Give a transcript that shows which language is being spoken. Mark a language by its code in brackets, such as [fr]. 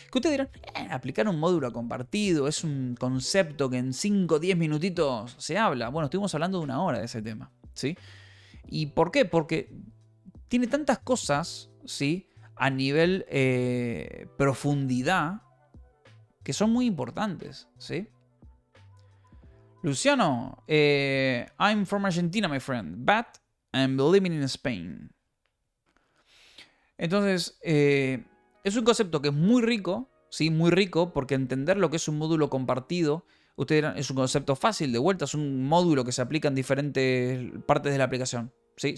[es] Que ustedes dirán, aplicar un módulo compartido es un concepto que en 5 o 10 minutitos se habla. Bueno, estuvimos hablando de una hora de ese tema, ¿sí? ¿Y por qué? Porque tiene tantas cosas, ¿sí?, a nivel profundidad, que son muy importantes, ¿sí? [en] Luciano, I'm from Argentina, my friend, but I'm living in Spain. [es] Entonces, es un concepto que es muy rico, ¿sí? Muy rico, porque entender lo que es un módulo compartido, ustedes dirán, es un concepto fácil, de vuelta, es un módulo que se aplica en diferentes partes de la aplicación, ¿sí?